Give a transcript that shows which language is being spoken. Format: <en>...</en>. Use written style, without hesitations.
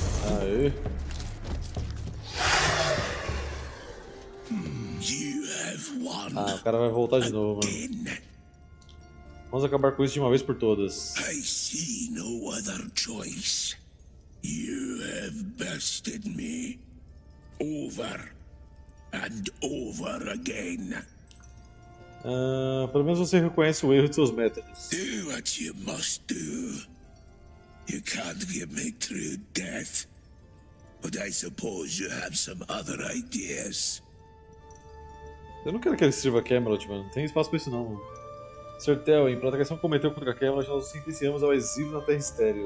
<pt>Aê. Ah, o cara vai voltar de novo, mano. Vamos acabar com isso de uma vez por todas.</pt> <en>I see no other choice. You have bested me over and over again.</en> <pt>Pelo menos você reconhece o erro de seus métodos.</pt> <en>Do what you must do. You can't get me through death. But I suppose you have some other ideas.</en> <pt>Eu não quero que ele sirva a Camelot, mano. Não tem espaço pra isso, não, mano. Sr. Telwyn, pela traição que cometeu contra a Camelot, nós nos sentenciamos ao exílio na Terra Estéreo.</pt>